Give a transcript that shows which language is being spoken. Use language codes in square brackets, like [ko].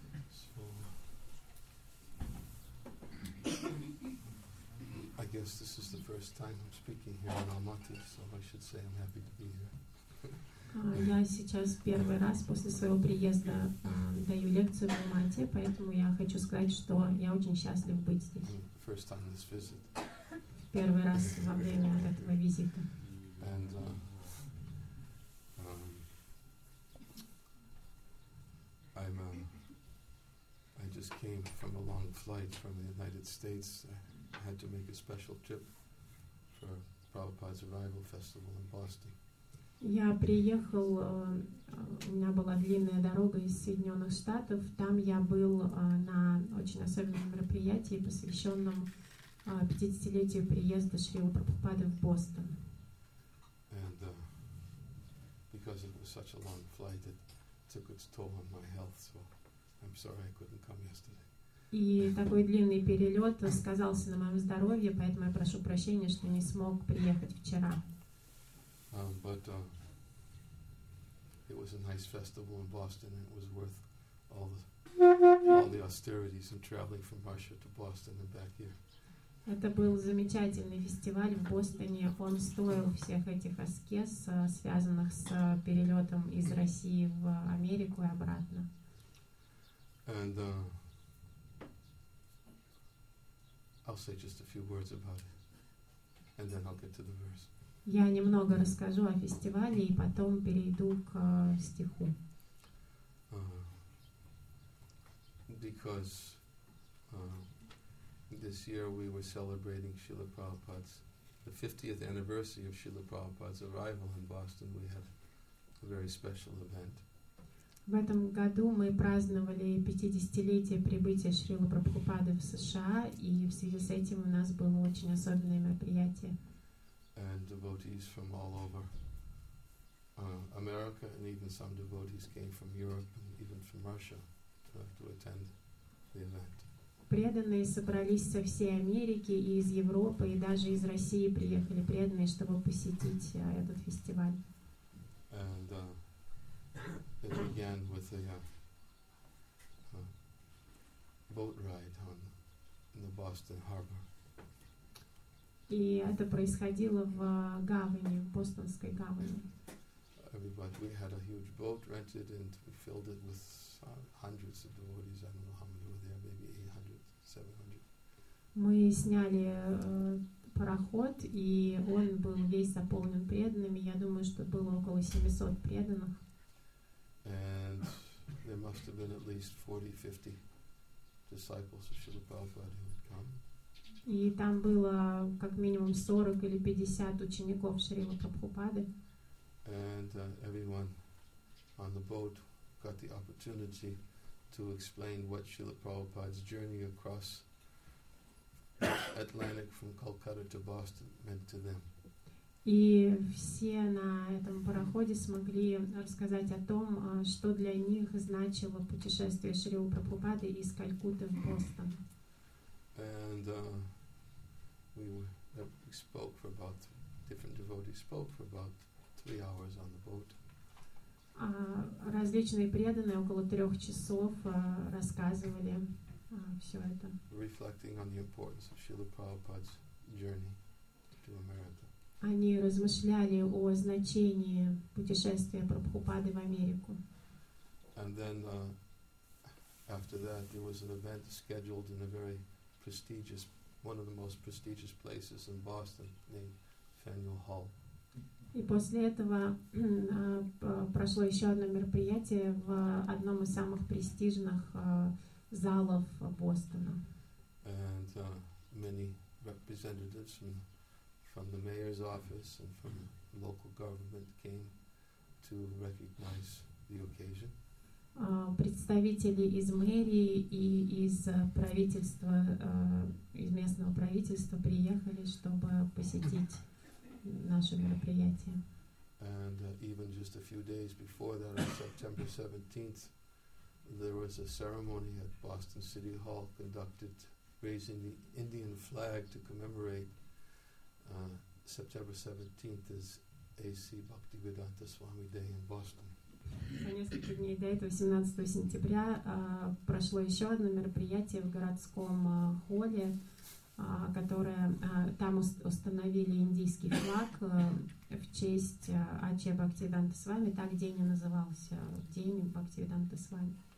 [en] So, I guess this is the first time I'm speaking here in Almaty, so I should say I'm happy to be here. [ru] Я сейчас первый раз после своего приезда даю лекцию в Алмате, поэтому я хочу сказать, что я очень счастлив быть здесь. [en] First time this visit. [ru] Первый раз во время этого визита. [en] And, I just came from a long flight from the United States. I had to make a special trip for Prabhupada's arrival festival in Boston. [ru] Я приехал, у меня была длинная дорога из Соединенных Штатов. Там я был на очень особенном мероприятии, посвященном 50-летию приезда Шрилы Прабхупады в Бостон. [en] And because it was such a long flight, it took its toll on my health, so I'm sorry I couldn't come yesterday. [ru] И такой длинный перелет сказался на моем здоровье, поэтому я прошу прощения, что не смог приехать вчера. [en] It was a nice festival in Boston, and it was worth all the austerities and traveling from Russia to Boston and back here. [ru] Это был замечательный фестиваль в Бостоне. Он стоил всех этих аскез, связанных с перелетом из России в Америку и обратно. [en] And I'll say just a few words about it, and then I'll get to the verse. [ru] Я немного расскажу о фестивале и потом перейду к стиху. [en] Because this year we were celebrating Srila Prabhupada's, the 50th anniversary of Srila Prabhupada's arrival in Boston, we had a very special event. [ru] В этом году мы праздновали 50-летие прибытия Шрилы Прабхупады в США, и в связи с этим у нас было очень особенное мероприятие. [en] and devotees from all over America, and even some devotees came from Europe and even from Russia to attend the event. [ru] Преданные собрались со всей Америки и из Европы, и даже из России приехали преданные, чтобы посетить этот фестиваль. [en] And it began with a boat ride in the Boston Harbor. [ru] И это происходило в гавани, в Бостонской гавани. [en] Everybody, we had a huge boat rented and we filled it with hundreds of devotees. I don't know how many were there, maybe 800, 700. [ru] Мы сняли пароход, и он был весь заполнен преданными. Я думаю, что было около 700 преданных. [en] And there must have been at least 40-50 disciples of Srila Prabhupada who had come. [ru] И там было как минимум 40 или 50 учеников Шрилы Прабхупады. [en] And everyone on the boat got the opportunity to explain what Srila Prabhupada's journey across Atlantic from Calcutta to Boston meant to them. [ru] И все на этом пароходе смогли рассказать о том, что для них значило путешествие Шрилы Прабхупады из Калькутты в Бостон. [en] And we spoke for about, different devotees spoke for about 3 hours on the boat. [ru] Различные преданные около 3 часов рассказывали все это. [en] Reflecting on the importance of Srila Prabhupada's journey to America. [ru] Они размышляли о значении путешествия Прабхупады в Америку. [en] And then after that there was an event scheduled in a very prestigious, one of the most prestigious places in Boston, named Faneuil Hall. [ru] И после этого прошло еще одно мероприятие в одном из самых престижных залов Бостона. [en] And many representatives from the mayor's office and from the local government came to recognize the occasion. [ru] Представители из мэрии и из правительства, из местного правительства приехали, чтобы посетить наше мероприятие. [en] And even just a few days before that, on September 17th, there was a ceremony at Boston City Hall conducted raising the Indian flag to commemorate September 17th as A.C. Bhaktivedanta Swami Day in Boston. [ru] За несколько дней до этого, 17 сентября, прошло еще одно мероприятие в городском холле, которое там установили индийский флаг в честь Ачья Бхактивиданта Свами, так день и назывался, день Бхактивиданта Свами.